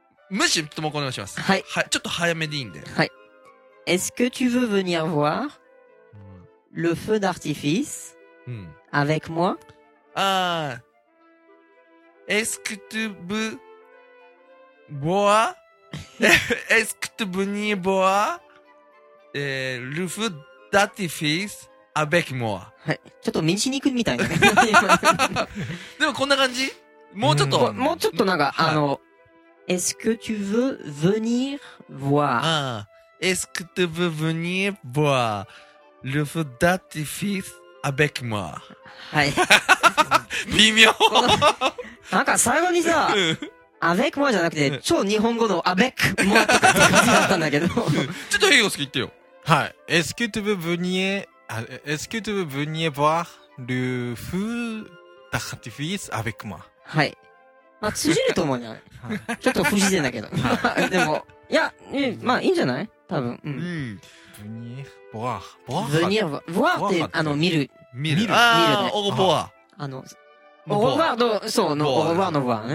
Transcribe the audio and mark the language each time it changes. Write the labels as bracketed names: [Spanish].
[Japanese] むしともこお願いします。はい。ちょっと早めでいいんで。はい。 [French] Est-ce que tu veux venir voir le feu d'artifice avec moi? Ah. Est-ce que tu veux boire? Est-ce que tu veux venir boire le feu d'artifice avec moi? [Japanese] はい。ちょっと道に行くみたいな。でもこんな感じ？もうちょっと。もうちょっとなんか、はい、 [French] Est-ce que tu veux venir voir? Ah, est-ce que tu veux venir voir le feu d'artifice avec moi? [English] Hi. [Japanese] 微妙。なんか最後にさ、 [French] avec moi [Japanese] じゃなくて超日本語の avec moi って感じだったんだけど。ちょっと英語好き言ってよ。はい。 [French] Est-ce que tu veux venir? Est-ce que tu veux venir voir le feu d'artifice avec moi? [Japanese] はい。まあ、通じると思うんじゃない？ちょっと不自然だけど。でも、いや、まあ、いいんじゃない？多分。うん。ブニエ、ボア、ボア。ブニエ、ボアって、見る。見る。見る。ああ、見る、ね、オーボア。オーボアの、そう、オーボアのボアね。